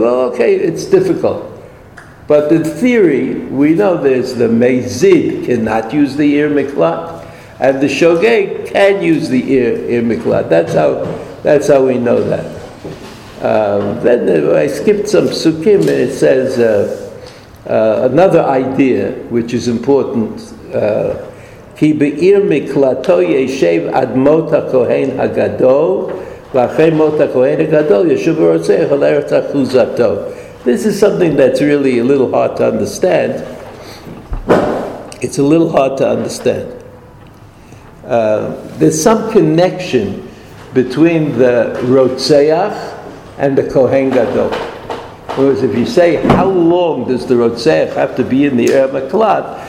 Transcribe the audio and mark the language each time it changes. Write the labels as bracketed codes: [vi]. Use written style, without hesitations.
[en] Well, okay, it's difficult. But in theory, we know there's the Mezid cannot use the Ir Miklat, and the Shogeg can use the Ir Miklat. That's how we know that. Then I skipped some psukim, and it says another idea which is important. [he] כי בעיר מקלטו ישב עד מות הכהן הגדול, ואחרי מות הכהן הגדול ישוב הרוצח על ארץ אחוזתו. [en] This is something that's really a little hard to understand. It's a little hard to understand. There's some connection between the Rotzeach and the Kohen Gadol. In other words, if you say, how long does the Rotzeach have to be in the Eir Miklat?